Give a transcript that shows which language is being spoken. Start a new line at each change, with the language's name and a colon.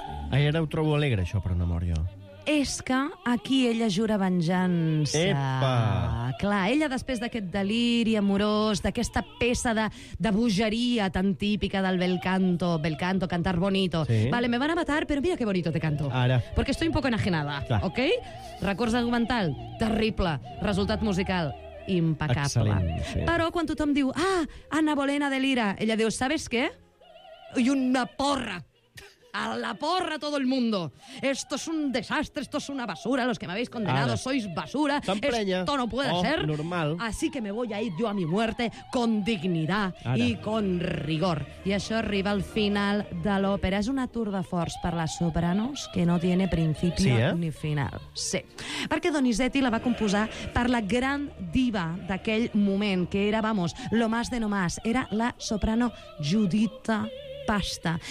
Catalan: Ai, ara ho trobo alegre, això, però no mor jo. És que aquí ella jura venjança. Epa! Clar, ella, després d'aquest deliri amorós, d'aquesta peça de bogeria tan típica del bel canto,
Spanish: cantar bonito.
Catalan: Sí.
Spanish: Vale, me van a matar, pero mira qué bonito te canto.
Catalan: Ara.
Spanish: Porque estoy un poco enajenada,
Catalan: clar. ¿Ok? Records argumental, terrible. Resultat musical, impecable. Excel·lent. Però quan tothom diu, ah, Anna Bolena delira, ella diu,
Spanish: ¿sabes qué? Y una porra. A la porra todo el mundo. Esto es un desastre, esto es una basura. Los que me habéis condenado sois basura. Esto no puede ser. Normal. Así que me voy a ir yo a mi muerte con dignidad y con rigor.
Catalan: Y això arriba al final de l'òpera. És una tour de force per les sopranos
Spanish: que no tiene principio ni final.
Catalan: Sí. Perquè Donizetti la va composar per la gran diva d'aquell moment, que era,
Spanish: vamos, lo más de no más.
Catalan: Era la soprano Giuditta Pasta.